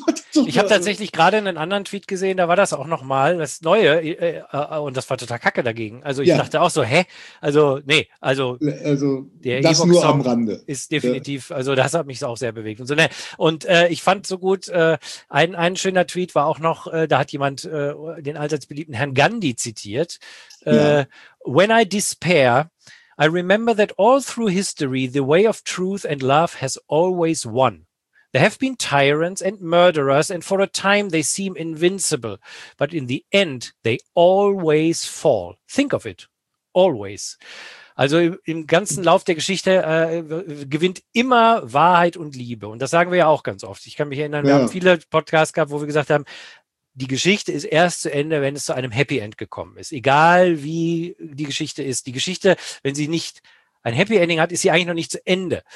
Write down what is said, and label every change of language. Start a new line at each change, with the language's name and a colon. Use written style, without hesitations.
German: war so ich habe tatsächlich gerade einen anderen Tweet gesehen, da war das auch nochmal das Neue und das war total kacke dagegen. Also ich dachte auch so, hä? Also der das Ewok nur Song am Rande. Ist definitiv, also das hat mich auch sehr bewegt. Und, so, ne. Und ich fand so gut, ein schöner Tweet war auch noch, da hat jemand den allseits beliebten Herrn Gandhi zitiert.
English: When I despair, I remember that all through history, the way of truth and love has always won. There have been tyrants and murderers, and for a time they seem invincible. But in the end, they always fall. Think of it. Always.
German: Also im ganzen Lauf der Geschichte gewinnt immer Wahrheit und Liebe. Und das sagen wir ja auch ganz oft. Ich kann mich erinnern, wir haben viele Podcasts gehabt, wo wir gesagt haben, die Geschichte ist erst zu Ende, wenn es zu einem Happy End gekommen ist. Egal, wie die Geschichte ist. Die Geschichte, wenn sie nicht ein Happy Ending hat, ist sie eigentlich noch nicht zu Ende.